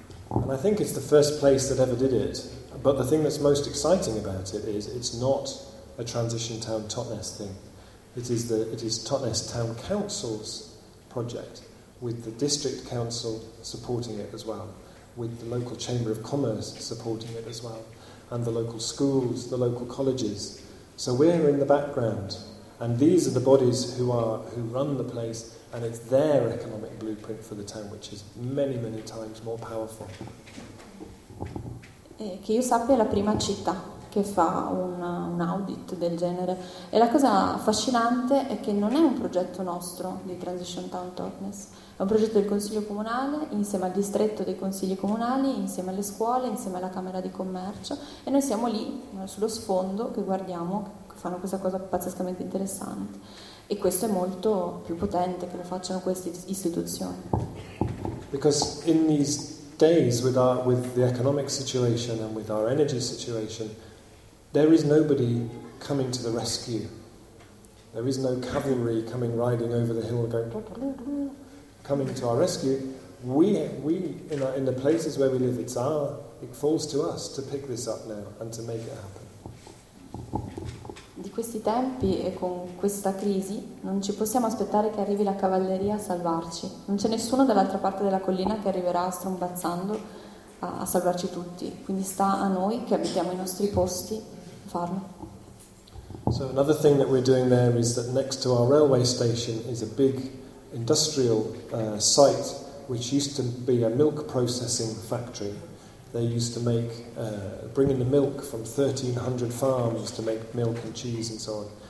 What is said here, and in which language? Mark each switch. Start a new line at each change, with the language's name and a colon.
English: And I think it's the first place that ever did it, but the thing that's most exciting about it is it's not a transition town Totnes thing. It is Totnes Town Council's project, with the district council supporting it as well, with the local chamber of commerce supporting it as well, and the local schools, the local colleges. So we're in the background, and these are the bodies who run the place, and it's their economic blueprint for the town, which is many, many times more powerful.
Italian: Che io sappia, la prima città che fa un audit del genere. E la cosa affascinante è che non è un progetto nostro di Transition Town Totnes, è un progetto del Consiglio Comunale, insieme al distretto dei consigli comunali, insieme alle scuole, insieme alla Camera di Commercio, e noi siamo lì, sullo sfondo, che guardiamo, che fanno questa cosa pazzescamente interessante. E questo è molto più potente che lo facciano queste istituzioni.
English: Because in these days, with the economic situation and with our energy situation, there is nobody coming to the rescue. There is no cavalry coming riding over the hill going coming to our rescue. We in the places where we live, it falls to us to pick this up now and to make it happen.
Italian: Di questi tempi e con questa crisi non ci possiamo aspettare che arrivi la cavalleria a salvarci. Non c'è nessuno dall'altra parte della collina che arriverà strombazzando a salvarci tutti. Quindi sta a noi che abitiamo i nostri posti.
English: So another thing that we're doing there is that next to our railway station is a big industrial site which used to be a milk processing factory. They used to make bring in the milk from 1,300 farms to make milk and cheese and so on.